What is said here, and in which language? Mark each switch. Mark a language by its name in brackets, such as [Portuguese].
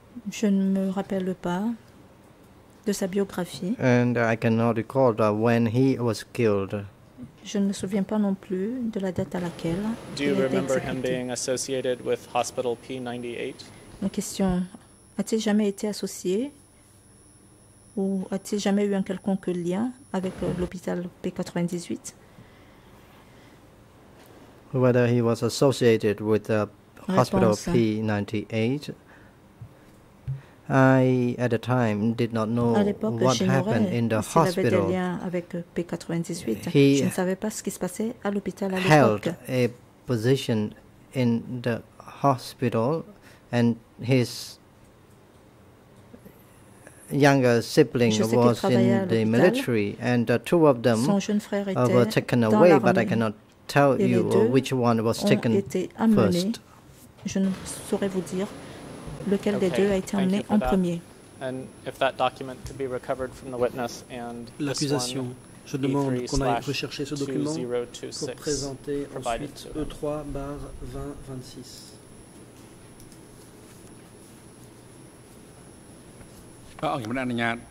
[French] Je ne me rappelle pas de sa biographie. [English] And I cannot recall when he was killed. [French] Je ne me souviens pas non plus de la date à laquelle [English] Do you remember him being associated with Hospital P98? [French] Ma question, a-t-il jamais été associé ou a-t-il jamais eu un quelconque lien avec l'hôpital P98? [English] Whether he was associated with the Hospital P98? I, at the time, did not know what happened in the hospital. [French] Il avait des liens avec P98. Je ne savais pas ce qui se passait à l'hôpital à l'époque. [English] He held a position in the hospital, and his younger sibling was in the military, and the two of them were taken away, but I cannot tell you which one was taken first. [French] Je ne saurais vous dire. Lequel des deux a été emmené en premier. [English] And if that document could be recovered from the witness and [French] l'accusation, je demande qu'on aille rechercher ce document pour présenter ensuite E3/2026.